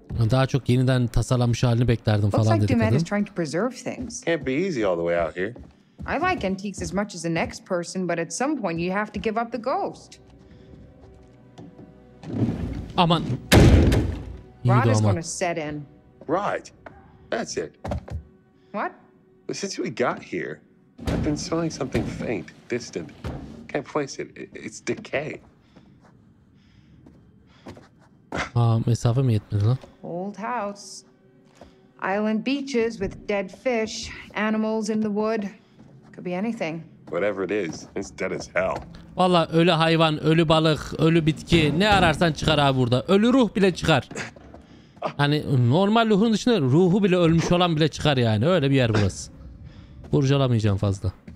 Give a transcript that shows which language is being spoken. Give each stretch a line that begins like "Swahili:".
Turkish: Daha çok yeniden tasarlanmış halini beklerdim falan dedi kadın.
English: I like antiques as much as the next person, but at some point you have to give up the ghost. Aman. Rod is going to set in. Right. That's it. What? Since we got here, I've been smelling something faint, distant. Can't place it. It's decay.
Turkish: Mesafe mi yetmedi lan?
English: Old house. Island beaches with dead fish, animals in the wood. Could be anything. Whatever it is, it's dead as hell.
Turkish: Vallahi ölü hayvan, ölü balık, ölü bitki ne ararsan çıkar abi burada. Ölü ruh bile çıkar. Hani normal ruhun dışında ruhu bile ölmüş olan bile çıkar yani. Öyle bir yer burası. Kurcalamayacağım fazla.